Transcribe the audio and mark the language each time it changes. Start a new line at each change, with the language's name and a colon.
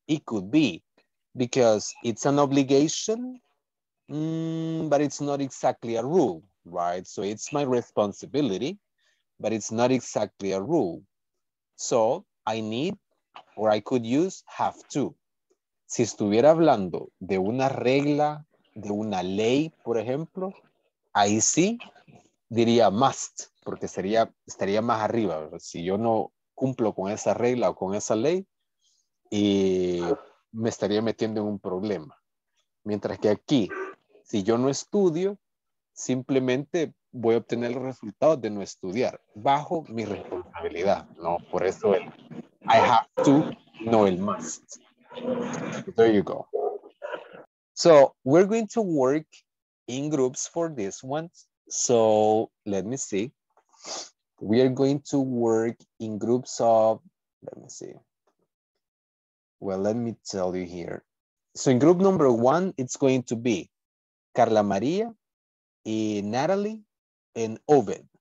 English: It could be because it's an obligation, but it's not exactly a rule, right? So it's my responsibility, but it's not exactly a rule. So I need, or I could use have to.
Spanish: Si estuviera hablando de una regla, de una ley, por ejemplo, ahí sí diría must. Porque estaría más arriba. Si yo no cumplo con esa regla o con esa ley, me estaría metiendo en un problema. Mientras que aquí, si yo no estudio, simplemente voy a obtener el resultado de no estudiar bajo mi responsabilidad. No, por eso el I have to, no el must.
English: There you go. So we're going to work in groups for this one. So let me see. We are going to work in groups of, let me see. Well, let me tell you here. So in group number one, it's going to be Carla Maria, Natalie, and Ovid.